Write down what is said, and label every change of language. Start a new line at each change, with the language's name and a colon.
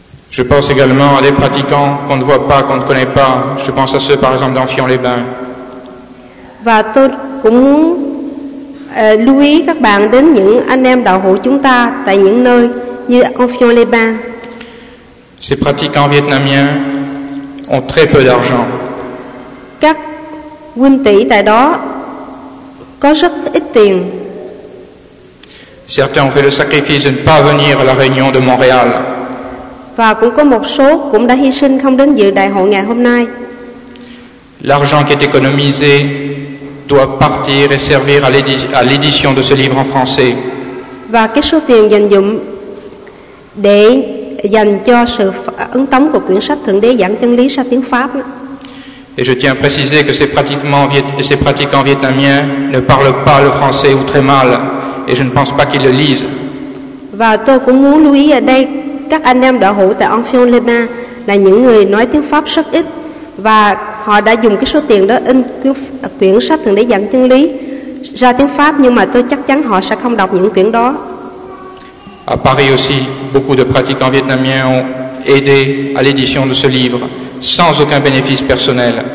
French: Je pense également à des pratiquants qu'on ne voit pas, qu'on ne connaît pas. Je pense à ceux, par exemple, dans Fion-les-Bains.
Vietnamese: Và tôi cũng lưu ý các bạn đến những anh em đạo hữu chúng ta tại những nơi như Enfion-les-Bains.
French: Ces pratiquants vietnamiens ont très peu d'argent.
Vietnamese: Các huynh tỷ tại đó có rất ít tiền.
French: Certains ont fait le sacrifice de ne pas venir à la réunion de Montréal.
Vietnamese: Và cũng có một số cũng đã hy sinh không đến dự đại hội ngày hôm nay.
French: L'argent qui est économisé doit partir et servir à l'édition de ce livre en français.
Vietnamese: Và cái số tiền dành dụm để dành cho sự ấn tống của quyển sách Thượng Đế giảng chân lý ra tiếng Pháp.
French: Et je tiens à préciser que ces pratiquants vietnamiens ne parlent pas le français ou très mal, et je ne pense pas qu'ils le lisent.
Vietnamese: Và tôi cũng muốn lưu ý ở đây, các anh em đạo hữu tại Enfion-les-Bains là những người nói tiếng Pháp rất ít, và họ đã dùng cái số tiền đó in quyển sách Thượng Đế giảng chân lý ra tiếng Pháp, nhưng mà tôi chắc chắn họ sẽ không đọc những quyển đó.
French: À Paris aussi, beaucoup de pratiquants vietnamiens ont aidé à l'édition de ce livre sans aucun bénéfice personnel.